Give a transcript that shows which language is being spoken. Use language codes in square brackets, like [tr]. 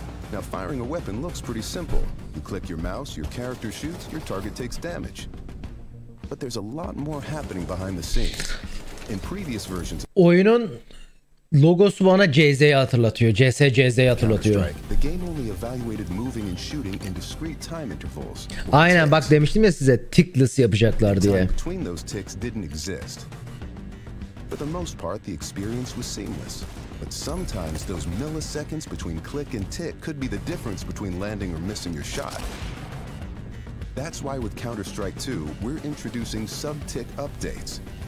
[en] Now firing a weapon looks pretty simple. You click your mouse, your character shoots, your target takes damage. But there's a lot more happening behind the scenes. In previous versions, [tr] oyunun logosu bana CZ'yi hatırlatıyor. CZ'yi hatırlatıyor. [en] The game only evaluated moving and shooting in discrete time intervals. [tr] Aynen bak, demiştim ya size tickless yapacaklar diye. [en] Between those ticks didn't exist. For the most part the experience was seamless. But sometimes those milliseconds between click and tick could be the difference between landing or missing your shot. That's why with Counter-Strike 2 we're introducing sub-tick updates.